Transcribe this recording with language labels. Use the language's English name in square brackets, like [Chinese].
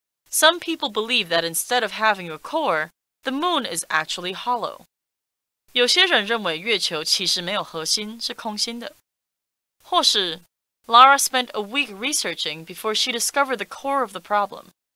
[English] Some people believe that instead of having a core, the moon is actually hollow. [Chinese] 有些人认为月球其实没有核心，是空心的。或是 [English] Lara spent a week researching before she discovered the core of the problem.